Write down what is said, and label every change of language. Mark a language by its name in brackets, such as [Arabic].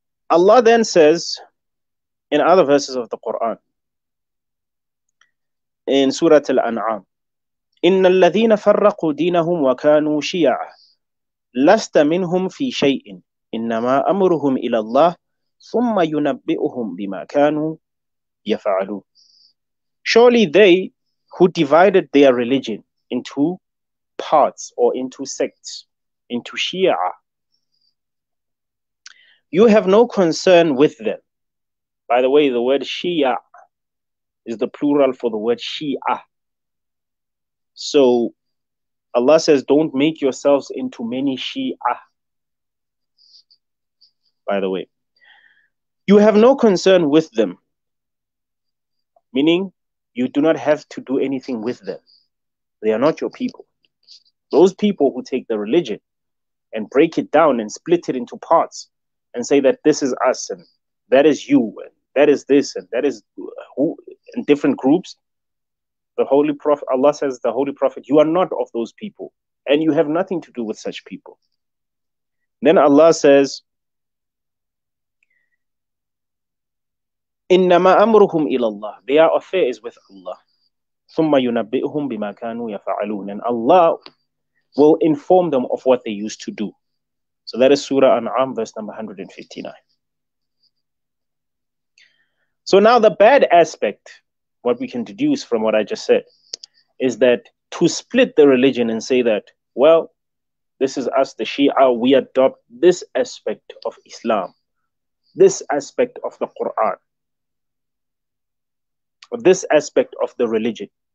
[English] Allah then says in other verses of the Quran, in Surah Al-An'am, [Arabic] إِنَّ الَّذِينَ فَرَّقُوا دِينَهُمْ وَكَانُوا شِيَعًا لَسْتَ مِنْهُمْ فِي شَيْءٍ إِنَّمَا أَمْرُهُمْ إِلَى اللَّهِ ثُمَّ يُنَبِّئُهُمْ بِمَا كَانُوا يَفَعَلُونَ. [English] Surely they who divided their religion into parts or into sects, into Shia, you have no concern with them. By the way, the word Shia is the plural for the word Shia. So Allah says, don't make yourselves into many Shia. By the way, you have no concern with them, meaning you do not have to do anything with them. They are not your people. Those people who take the religion and break it down and split it into parts, and say that this is us, and that is you, and that is this, and that is who, in different groups. The Holy Prophet, Allah says, the Holy Prophet, you are not of those people, and you have nothing to do with such people. Then Allah says, [Arabic] إِنَّمَا أَمْرُهُمْ إِلَى اللَّهِ. [English] Their affair is with Allah. [Arabic] ثُمَّ يُنَبِّئُهُمْ بِمَا كَانُوا يَفَعَلُونَ. [English] And Allah will inform them of what they used to do. So that is Surah An'am, verse number 159. So now the bad aspect, what we can deduce from what I just said, is that to split the religion and say that, well, this is us, the Shia, we adopt this aspect of Islam, this aspect of the Quran, or this aspect of the religion.